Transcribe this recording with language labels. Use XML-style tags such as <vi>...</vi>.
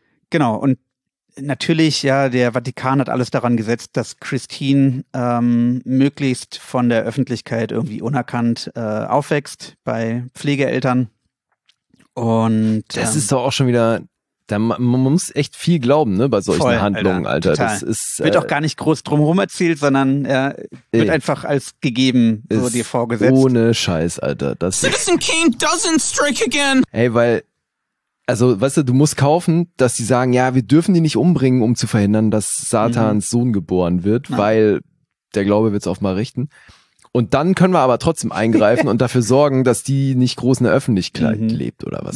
<de>Genau, und natürlich, ja, der Vatikan hat alles daran gesetzt, dass Christine möglichst von der Öffentlichkeit irgendwie unerkannt aufwächst bei Pflegeeltern. Und das ist doch auch schon wieder, da man muss echt viel glauben, ne, bei solchen Handlungen, Alter. Total. Das ist, wird auch gar nicht groß drumherum erzählt, sondern wird einfach als gegeben so dir vorgesetzt. Ohne Scheiß, Alter. Das</de> <en>Citizen Kane doesn't strike again.</en> <de>Ey, weil, also, weißt du, du musst kaufen, dass sie sagen, ja, wir dürfen die nicht umbringen, um zu verhindern, dass Satans Sohn geboren wird, weil der Glaube wird's auch mal richten. Und dann können wir aber trotzdem eingreifen und dafür sorgen, dass die nicht groß in der Öffentlichkeit lebt oder was.</de>